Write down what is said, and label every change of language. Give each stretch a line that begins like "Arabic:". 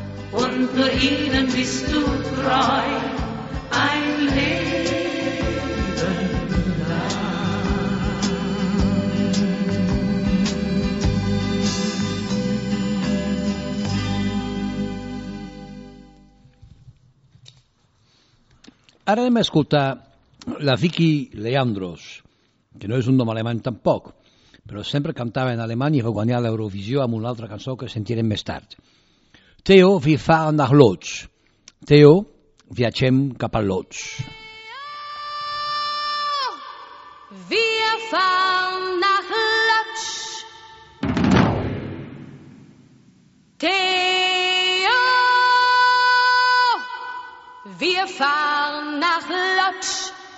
German: Und nur ihnen bist du treu, ein Leben lang.
Catalan: Ara anem a escoltar la Vicky Leandros, que no és un nom alemany tampoc, però sempre cantava en alemany i va guanyar l'Eurovisió amb una altra cançó que sentirem més tard.
German: Theo, wir fahren nach Lodz.
Catalan: Theo, viatgem cap a Lodz.
German: Wir fahren nach Lodz. Theo, wir fahren nach Lodz.